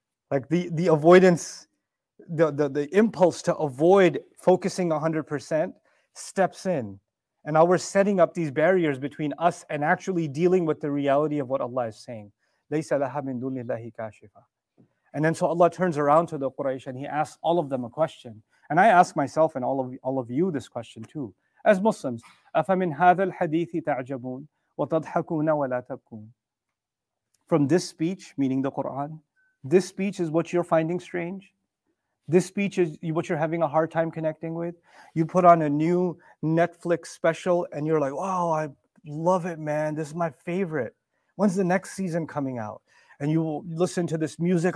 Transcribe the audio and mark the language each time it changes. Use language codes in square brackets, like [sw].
[en] Like the avoidance, the impulse to avoid focusing 100% steps in. And now we're setting up these barriers between us and actually dealing with the reality of what Allah is saying. [ar] لَيْسَ لَهَا مِن دُونِ اللَّهِ كَاشِفًا. [en] And then so Allah turns around to the Quraysh and He asks all of them a question. And I ask myself and all of you this question too. As Muslims, [ar] أَفَمِنْ هَذَا الْحَدِيثِ تَعْجَبُونَ وَتَضْحَكُونَ وَلَا تَبْكُونَ. [en] From this speech, meaning the Quran, this speech is what you're finding strange. This speech is what you're having a hard time connecting with. You put on a new Netflix special and you're like, wow, I love it, man. This is my favorite. When's the next season coming out? And you will listen to this music.